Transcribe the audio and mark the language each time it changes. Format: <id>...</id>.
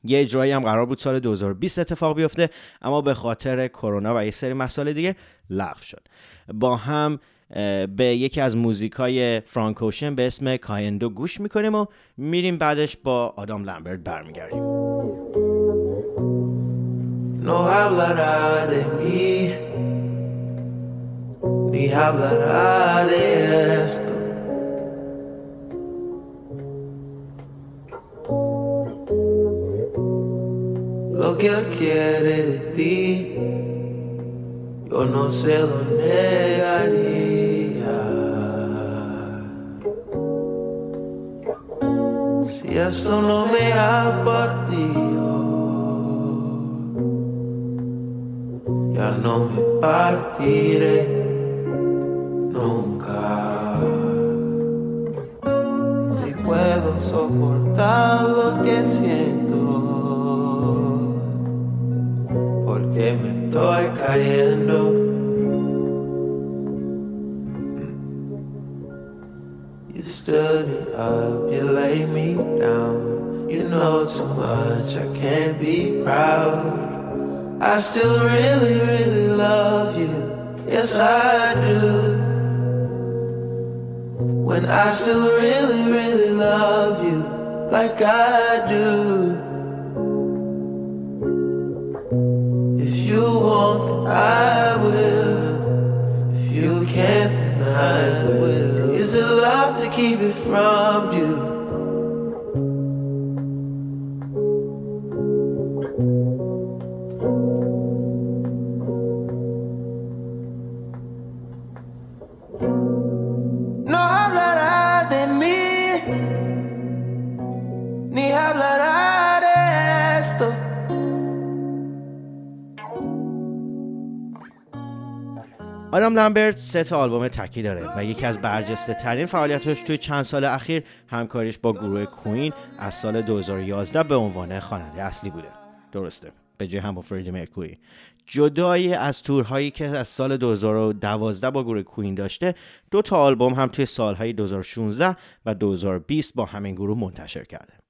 <fa>یه اجرایی هم قرار بود سال 2020 اتفاق بیفته اما به خاطر کرونا و یه سری مسائل دیگه لغو شد. با هم به یکی از موزیکای فرانک اوشن به اسم کایندو گوش میکنیم و میریم بعدش با آدام لامبرت برمیگردیم.</fa> <es>No hablará de mí ni hablará de esto. Lo que él quiere de ti yo no se lo negaría. Si esto no me ha partido, ya no me partiré nunca. Si puedo soportar lo que siento, porque me estoy cayendo.</es> <en>Stood me up, you lay me down. You know too much, I can't be proud. I still really, really love you. Yes, I do. When I still really, really love you, like I do. If you won't, I will. If you can't, then I will. Is it love to keep it from you?</en> <es>No hablará de mí, ni hablará de esto.</es> <fa>آدام لامبرت 3 آلبوم تکی داره و یکی از برجسته ترین فعالیتش توی چند سال اخیر همکاریش با گروه کوین از سال 2011 به عنوان خواننده اصلی بوده. درسته. به جای هم با فردی مرکوری. جدای از تورهایی که از سال 2012 با گروه کوین داشته، دو تا آلبوم هم توی سالهای 2016 و 2020 با همین گروه منتشر کرده.</fa>